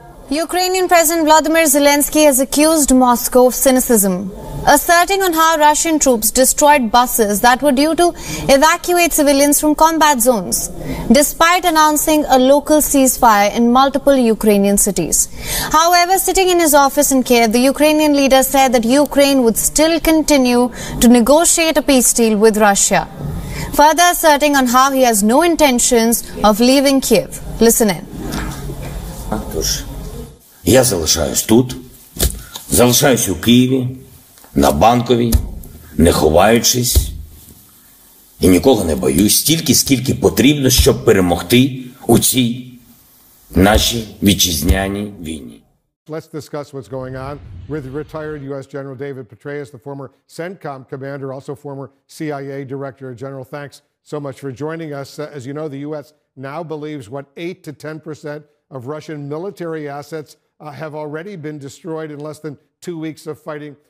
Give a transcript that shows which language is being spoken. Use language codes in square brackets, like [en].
[en] Ukrainian President Vladimir Zelensky has accused Moscow of cynicism, asserting on how Russian troops destroyed buses that were due to evacuate civilians from combat zones, despite announcing a local ceasefire in multiple Ukrainian cities. However, sitting in his office in Kiev, the Ukrainian leader said that Ukraine would still continue to negotiate a peace deal with Russia, further asserting on how he has no intentions of leaving Kiev. Listen in. [uk] Я залишаюсь тут, залишаюсь у Києві, на Банковій, не ховаючись. І нікого не боюсь, стільки, скільки потрібно, щоб перемогти у цій нашій вітчизняній війні. [en] Let's discuss what's going on with retired U.S. General David Petraeus, the former CENTCOM commander, also former CIA director general. Thanks so much for joining us. As you know, the U.S. now believes what 8 to 10% of Russian military assets have already been destroyed in less than 2 weeks of fighting.